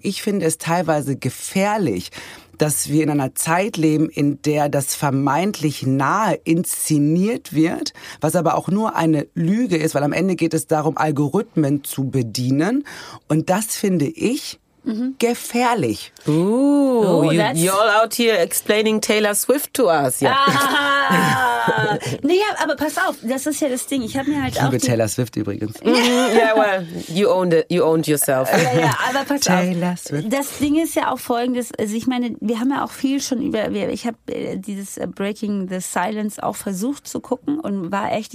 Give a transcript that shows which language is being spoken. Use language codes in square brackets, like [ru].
[de] Ich finde es teilweise gefährlich, dass wir in einer Zeit leben, in der das vermeintlich Nahe inszeniert wird, was aber auch nur eine Lüge ist, weil am Ende geht es darum, Algorithmen zu bedienen. Und das finde ich gefährlich. [en] You're out here explaining Taylor Swift to us. [de] Ja. Ah, naja, aber pass auf, das ist ja das Ding. Ich habe mir halt ich liebe Taylor Swift übrigens. [en] Yeah, well, you owned it. You owned yourself. [de] Ja, aber pass Taylor auf. Swift. Das Ding ist ja auch folgendes. Also ich meine, wir haben ja auch viel schon über. Ich habe dieses Breaking the Silence auch versucht zu gucken und war echt.